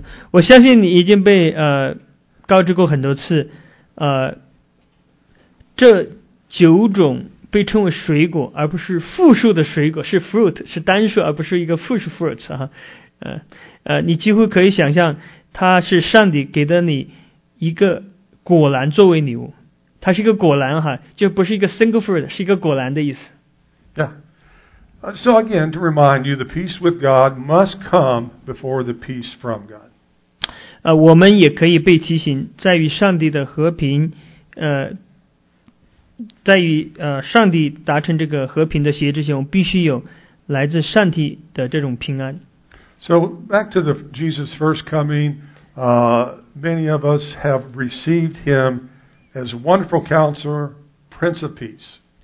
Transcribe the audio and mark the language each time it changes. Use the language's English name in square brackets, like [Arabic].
[Chinese] 我相信你已经被告知过很多次，这九种被称为水果，而不是复数的水果，是 fruit, 是单数，而不是一个复数 fruits 哈、啊。你几乎可以想象它是上帝给的你一个果篮作为礼物，它是一个果篮哈，就不是一个 [English] single fruit， [Chinese] 是一个果篮的意思。 [English] Yeah. So again, to remind you, the peace with God must come before the peace from God. [Chinese] 我们也可以被提醒，在于上帝的和平，在于上帝达成这个和平的协议之前，我们必须有来自上帝的这种平安。 [English] So back to the Jesus' first coming, many of us have received him as wonderful counselor, Prince of Peace.